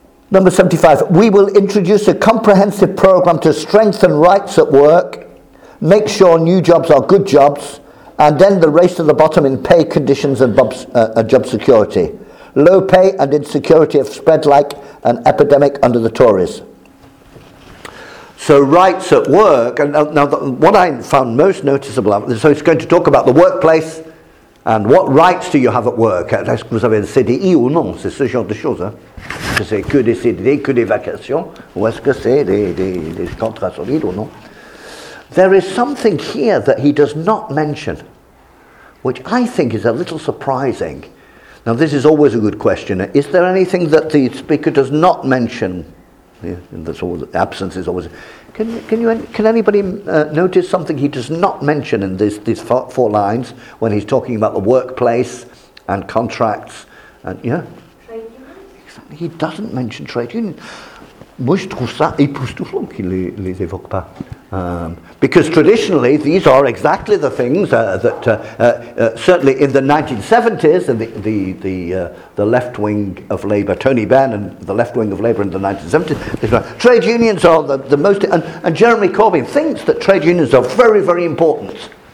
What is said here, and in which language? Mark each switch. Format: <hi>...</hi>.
<en>Number 75, we will introduce a comprehensive program to strengthen rights at work, make sure new jobs are good jobs, and end the race to the bottom in pay conditions and job security. Low pay and insecurity have spread like an epidemic under the Tories. So rights at work, and now what I found most noticeable, so it's going to talk about the workplace and what rights do you have at work.</en> <fr>Est-ce que vous avez un CDI ou non? C'est ce genre de choses. C'est que des CDI, que des vacations, ou est-ce que c'est des contrats solides ou non?</fr> <en>There is something here that he does not mention, which I think is a little surprising. Now this is always a good question. Is there anything that the speaker does not mention? Yeah, and that's always, absence is always. Can anybody notice something he does not mention in these four lines when he's talking about the workplace and contracts and trade unions? Exactly, he doesn't mention trade unions.</en> <fr>Moi, je trouve ça époustouflant qu'il ne les évoque pas.</fr> <en>Because traditionally, these are exactly the things certainly in the 1970s, and the left wing of Labour, Tony Benn, and the left wing of Labour in the 1970s, trade unions are the most, and Jeremy Corbyn thinks that trade unions are very, very important.</en>